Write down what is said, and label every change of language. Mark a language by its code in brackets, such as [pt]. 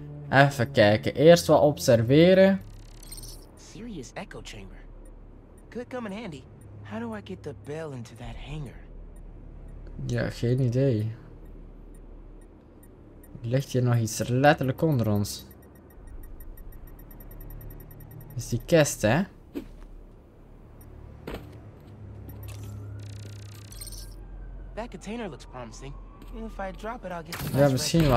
[nl] Even kijken, eerst wat observeren. [en] Serious echo chamber. Could come in handy. How do I get the bell into that hangar? [nl] Ja, geen idee. Ligt hier nog iets letterlijk onder ons? Is die kist, hè? [en] That container looks promising. If I drop it, I'll get the... [nl] Ja, misschien wel.